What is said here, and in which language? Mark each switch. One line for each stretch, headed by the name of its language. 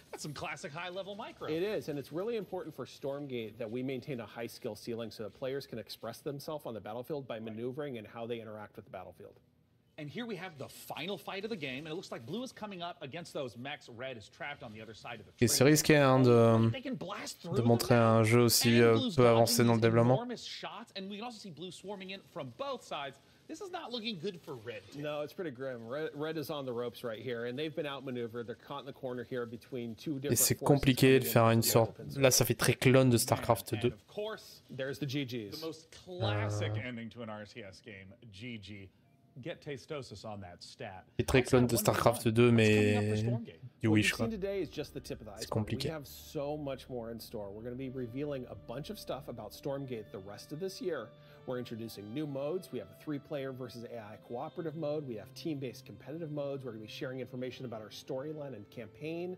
English: That's some classic high-level micro. It is, and it's really important for Stormgate that we maintain a high skill ceiling so that players can express themselves on the battlefield by maneuvering and how they interact with the battlefield. And here we have the final fight of the game, and it looks like Blue is coming up against those mechs. Red is trapped on the other side of the
French: train. Et c'est risqué hein, de montrer un jeu aussi peu avancé dans le développement.
English: Enormous shots, and we can also see Blue swarming in from both sides. This is not looking good for Red. No, it's pretty grim. Red is on the ropes right here, and they've been outmaneuvered. They're caught in the corner here between two different.
French: Et c'est compliqué de faire une sorte. Là, ça fait très clone de StarCraft 2.
English: Of course, there's the GGs. The most classic ending to an RTS game, GG. get Tastosis on that stat.
French: Les très clones de StarCraft 2, mais du Wish, quoi. C'est compliqué.
English: We have so much more in store. We're going to be revealing a bunch of stuff about Stormgate the rest of this year. We're introducing new modes. We have a three-player versus AI cooperative mode. We have team-based competitive modes. We're going to be sharing information about our storyline and campaign.